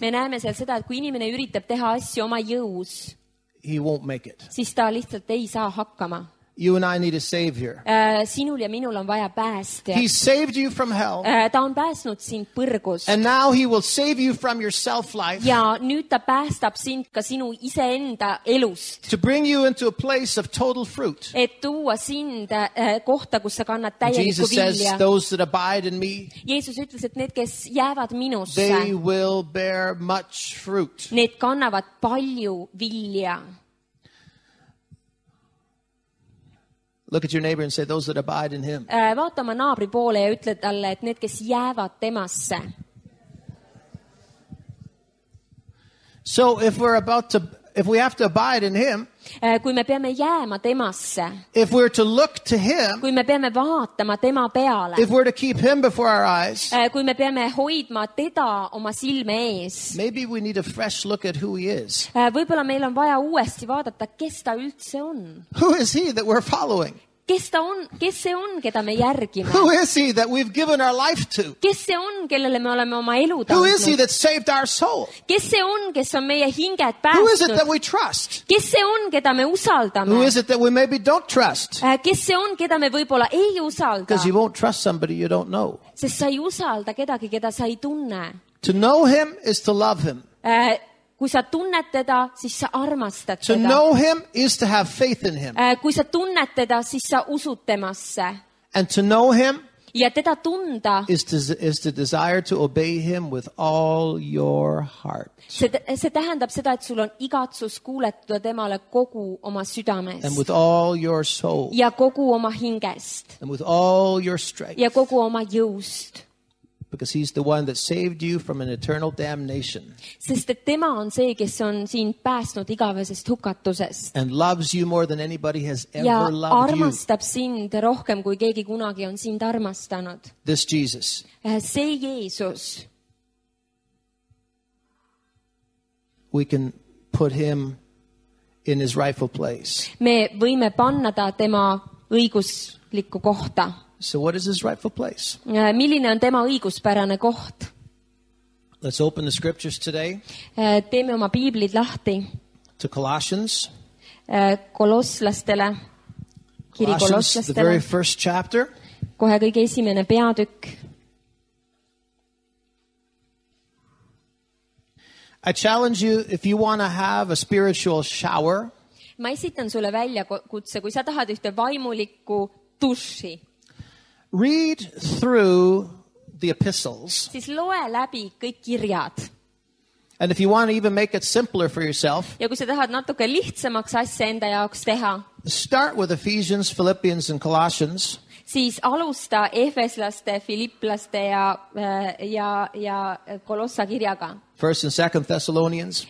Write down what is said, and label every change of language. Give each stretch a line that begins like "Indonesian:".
Estonian: Me näeme seal seda, et kui inimene üritab teha asju oma jõus.
English: He won't make it.
Estonian: Siis ta lihtsalt ei saa hakkama.
English: You and I need a savior.
Estonian: Sinul ja minul on vaja päästja.
English: He saved you from hell.
Estonian: Ta on päästnud sind põrgust.
English: And now he will save you from your self-life.
Estonian: Ja nüüd ta päästab sind ka sinu ise enda elust.
English: To bring you into a place of total fruit.
Estonian: Et tuua sind kohta, kus sa kannad täieliku vilja.
English: Jesus says, those that abide in me.
Estonian: Jeesus ütles, et need, kes jäävad minusse.
English: They will bear much fruit.
Estonian: Need kannavad palju vilja.
English: Look at your neighbor and say those that abide in him.
Estonian: Vaata oma naabri poole ja ütle talle, et need, kes jäävad temasse.
English: So if we're about to, if we have to abide in him,
Estonian: kui me peame jääma temasse,
English: if we're to look to him,
Estonian: kui me peame vaatama tema peale,
English: if we're to keep him before our eyes,
Estonian: kui me peame hoidma teda oma silme ees,
English: maybe we need a fresh look at who he is.
Estonian: Võib-olla meil on vaja uuesti vaadata, kes ta üldse on.
English: Who is he that we're following?
Estonian: Kes ta on, kes see on, keda me järgime?
English: Who is he that we've given our life to?
Estonian: Kes see on, kellele me oleme oma elu tandnud?
English: Who is he that saved our soul?
Estonian: Kes see on, kes on meie hinged päästnud?
English: Who is it that we trust?
Estonian: Kes see on, keda me usaldame?
English: Who is it that we maybe don't trust?
Estonian: Kes see on, keda me võibolla ei usalda?
English: Because you won't trust somebody you don't know.
Estonian: Sest sa ei usalda kedagi, keda sa ei tunne.
English: To know him is to love him.
Estonian: Kui sa tunned teda, siis sa armastad teda.
English: To know him is to have faith in him.
Estonian: Kui sa tunned teda, siis sa usud temasse.
English: And to know him
Estonian: ja teda tunda
English: is to desire to obey him with all your heart.
Estonian: See tähendab seda, et sul on igatsus kuuletuda temale kogu oma südames.
English: And with all your soul.
Estonian: Ja kogu oma hingest.
English: And with all your strength.
Estonian: Ja kogu oma jõust.
English: Because he's the one that saved you from an eternal damnation.
Estonian: Sest et tema on see, kes on siin päästnud igavesest hukatusest.
English: And loves you more than anybody has ever
Estonian: ja
English: loved you.
Estonian: Ja armastab sind rohkem, kui keegi kunagi on sind armastanud.
English: This Jesus.
Estonian: See Jeesus.
English: We can put him in his rightful place.
Estonian: Me võime panna ta tema õiguslikku kohta.
English: So what is his rightful place?
Estonian: Milline on tema õiguspärane koht?
English: Let's open the scriptures today.
Estonian: Teeme oma piiblid lahti.
English: To Colossians.
Estonian: Kolosslastele. Kiri
English: Kolosslastele. The very first chapter.
Estonian: Kohe kõige esimene peatükk.
English: I challenge you if you want to have a spiritual shower.
Estonian: Ma esitan sulle välja kutse, kui sa tahad ühte vaimulikku tussi.
English: Read through the epistles.
Estonian: Siis loe läbi kõik kirjad.
English: And if you want to even make it simpler for yourself.
Estonian: Ja kui sa tahad natuke lihtsamaks asja enda jaoks teha.
English: Start with Ephesians, Philippians and Colossians.
Estonian: Siis alusta Efeslaste, Filipplaste ja Kolossa kirjaga.
English: First and second Thessalonians.